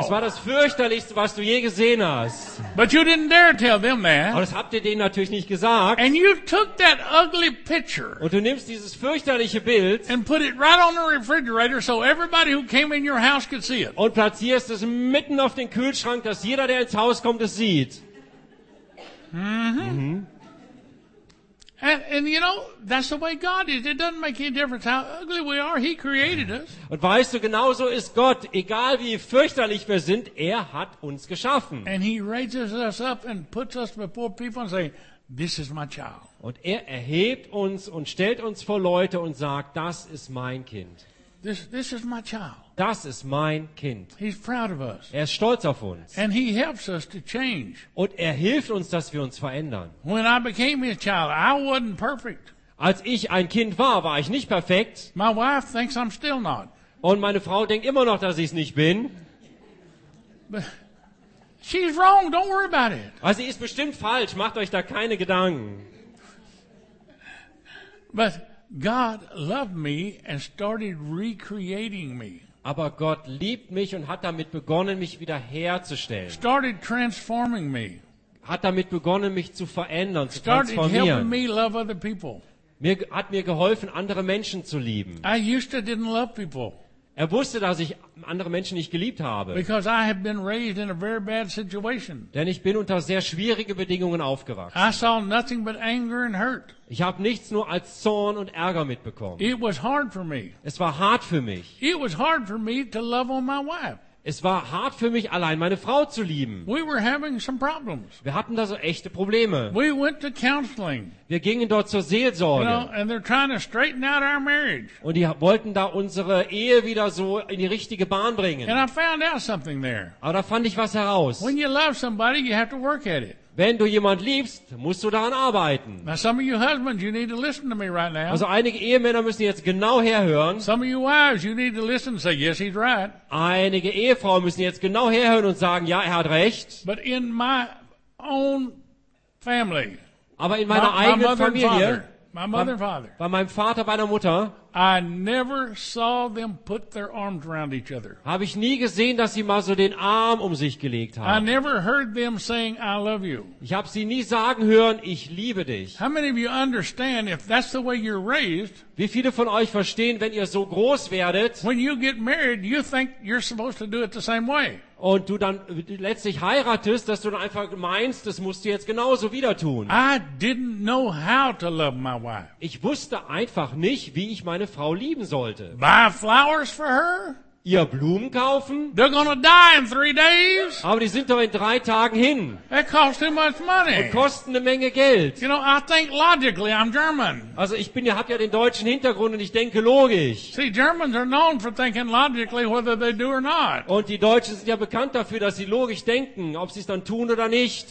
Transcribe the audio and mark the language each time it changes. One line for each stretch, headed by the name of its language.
German: Es war das fürchterlichste, was du je gesehen hast.
English: But you didn't dare tell them that.
German: Aber das habt ihr denen natürlich nicht gesagt.
English: And you took that ugly picture.
German: Und du nimmst dieses fürchterliche Bild
English: and put it right on the refrigerator so everybody who came in your house could see it.
German: Und platzierst es mitten auf den Kühlschrank, dass jeder, der ins Haus kommt, es sieht. Mhm.
English: And you know, that's the way God is. It doesn't make any difference how ugly we are. He created us.
German: Und weißt du, genauso ist Gott. Egal wie fürchterlich wir sind, er hat uns geschaffen.
English: And he raises us up and puts us before people and say, this is my child.
German: Und er erhebt uns und stellt uns vor Leute und sagt, das ist mein Kind.
English: This is my child.
German: Das ist mein Kind.
English: He's proud of us.
German: Er ist stolz auf uns.
English: And he helps us to change.
German: Und er hilft uns, dass wir uns verändern.
English: When I became his child, I wasn't perfect.
German: Als ich ein Kind war, war ich nicht perfekt.
English: My wife thinks I'm still not.
German: Und meine Frau denkt immer noch, dass ich es nicht bin.
English: She's wrong. Don't worry about it.
German: Also sie ist bestimmt falsch. Macht euch da keine Gedanken.
English: But God loved me and started recreating me.
German: Aber Gott liebt mich und hat damit begonnen, mich wieder herzustellen.
English: Started transforming me.
German: Hat damit begonnen, mich zu verändern, zu
English: started
German: transformieren.
English: Started helping me love other people.
German: Mir hat mir geholfen, andere Menschen zu lieben.
English: I used to didn't love people.
German: Er wusste, dass ich andere Menschen nicht geliebt habe.
English: Because I have been raised in a very bad situation.
German: Denn ich bin unter sehr schwierigen Bedingungen aufgewachsen.
English: I saw nothing but anger and hurt.
German: Ich habe nichts nur als Zorn und Ärger mitbekommen.
English: It was hard for me.
German: Es war hart für mich.
English: It was hard for me to love on my wife.
German: Es war hart für mich, allein meine Frau zu lieben.
English: We were having some problems.
German: Wir hatten da so echte Probleme.
English: We went to counseling.
German: Wir gingen dort zur Seelsorge.
English: You know, and they're trying to straighten out our marriage.
German: Und die wollten da unsere Ehe wieder so in die richtige Bahn bringen.
English: And I found out something there.
German: Aber da fand ich was heraus.
English: When you love somebody, you have to work at it.
German: Wenn du jemand liebst, musst du daran arbeiten.
English: Now some of you husbands, you need to listen to me right now.
German: Also einige Ehemänner müssen jetzt genau herhören.
English: Some of you wives, you need to listen and say, yes, he's right.
German: Einige Ehefrauen müssen jetzt genau herhören und sagen, ja, er hat recht.
English: But in my own family.
German: Aber in meiner eigenen Familie.
English: My mother and father.
German: Bei meinem Vater, bei meiner Mutter.
English: I never saw them put their arms around each other.
German: Habe ich nie gesehen, dass sie mal so den Arm um sich gelegt haben.
English: I never heard them saying, I love you.
German: Ich habe sie nie sagen hören, ich liebe dich.
English: How many of you understand if that's the way you're raised?
German: Wie viele von euch verstehen, wenn ihr so groß werdet?
English: When you get married, you think you're supposed to do it the same way.
German: Und du dann letztlich heiratest, dass du dann einfach meinst, das musst du jetzt genauso wieder tun.
English: I didn't know how to love my wife.
German: Ich wusste einfach nicht, wie ich meine Frau lieben sollte.
English: Buy flowers for her?
German: Ihr Blumen kaufen?
English: They're gonna die in 3 days.
German: Aber die sind doch in 3 Tagen hin.
English: It costs too much money.
German: Und kosten eine Menge Geld.
English: You know, I think logically, I'm German.
German: Also ich bin ja, hab ja den deutschen Hintergrund und ich denke logisch.
English: See, Germans are known for thinking logically whether they do or not.
German: Und die Deutschen sind ja bekannt dafür, dass sie logisch denken, ob sie es dann tun oder nicht.